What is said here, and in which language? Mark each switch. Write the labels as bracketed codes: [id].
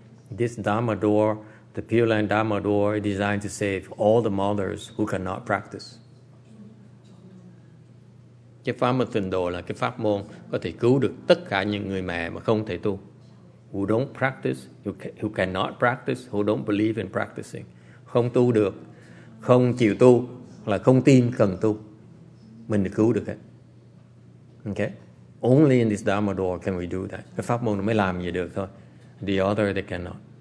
[en] This Dharma door, the Pure Land Dharma door, is designed to save all the mothers who cannot practice. [vi] Cái pháp mà tịnh độ là cái pháp môn có thể cứu được tất cả những người mẹ mà không thể tu. [en] Who don't practice, who cannot practice, who don't believe in practicing. [vi] Không tu được, không chịu tu, là không tin cần tu. Mình được cứu được hết. Okay? [en] Only in this Dharma door can we do that. [vi] Cái pháp môn mới làm gì được thôi. [en] The other, they cannot.